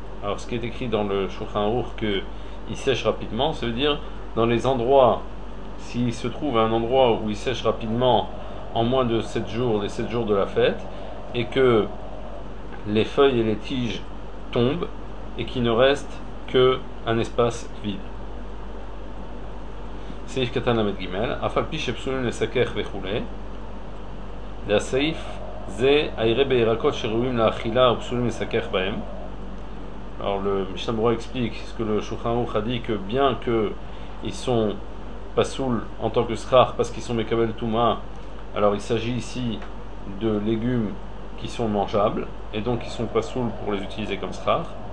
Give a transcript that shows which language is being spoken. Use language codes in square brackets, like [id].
[fr] Alors ce qui est écrit dans le Shulchan Aruch qu'il sèche rapidement, ça veut dire dans les endroits, s'il se trouve à un endroit où il sèche rapidement en moins de 7 jours, les 7 jours de la fête, et que les feuilles et les tiges tombent, et qu'il ne reste qu'un espace vide. [he] סעיף קטן למד גימל, אף על פי שפסולים לסכך וכו'. והסעיף זה הירא בירקות שראויים לאכילה ופסולים לסכך בהם. [fr] Alors le Mishnah Brura explique ce que le Shulchan Aruch a dit, que bien qu'ils sont pasoul en tant que srach parce qu'ils sont mekabel touma, alors il s'agit ici de légumes qui sont mangeables et donc ils sont pasoul pour les utiliser comme srach.